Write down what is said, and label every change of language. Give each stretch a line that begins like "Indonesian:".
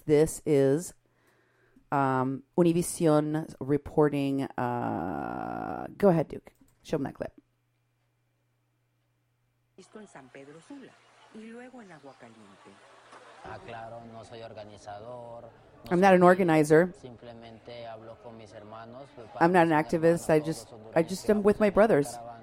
English: This is Univision reporting. Go ahead, Duke. Show them that clip.
Spanish: Esto en San Pedro Sula y luego en Agua Caliente. Ah, claro, no soy organizador.
English: I'm not an organizer.
Spanish: Simplemente hablo con mis hermanos.
English: I'm not an activist. I just am with my brothers.